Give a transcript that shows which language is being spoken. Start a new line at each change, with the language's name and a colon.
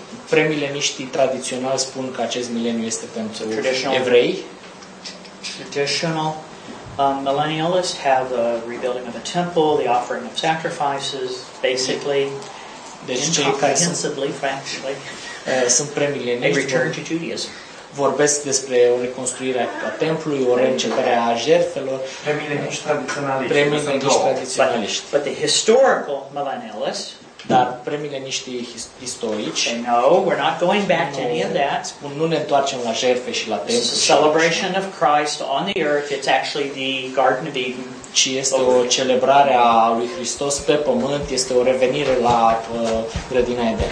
Romanian: Premileniștii tradiționali spun că acest mileniu este pentru evrei.
English: Traditional millennialists have the rebuilding of a temple, the offering of sacrifices, basically, incomprehensibly, factually.
Romanian: Sunt premileniști.
English: They return to Judaism.
Romanian: Vorbesc despre o reconstruire a templului, o reîncepere a jertfelor. Premileniști tradiționaliști. Premileniști tradiționaliști.
English: But the historical millennialists.
Romanian: Dar premileniștii istorici.
English: No, we're not going back to any of that.
Romanian: Spun, nu ne întoarcem la jertfe și la templu.
English: It's a celebration of Christ on the earth. It's actually the Garden of Eden.
Romanian: Ci este o celebrare a lui Hristos pe pământ, este o revenire la grădina Eden.